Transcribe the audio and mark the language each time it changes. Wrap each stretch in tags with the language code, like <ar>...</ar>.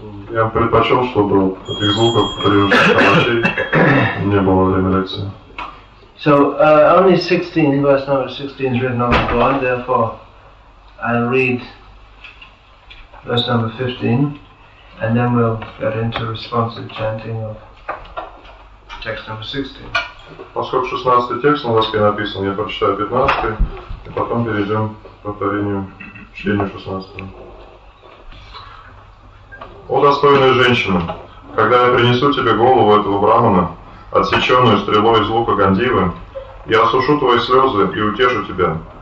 <ru>Я бы предпочел, чтобы таких звуков, прежде овощей, не было во время лекции.</ru> <en>So, only 16, verse number 16 is written on the board, therefore I'll read verse number 15, and then we'll get into responsive chanting of text number 16.</en> <ru>Поскольку 16 текст на доске написан, я прочитаю 15, и потом перейдем к повторению чтения 16. О достойная женщина, когда я принесу тебе голову этого брахмана, отсеченную стрелой из лука Гандивы, я осушу твои слезы и утешу тебя.</ru>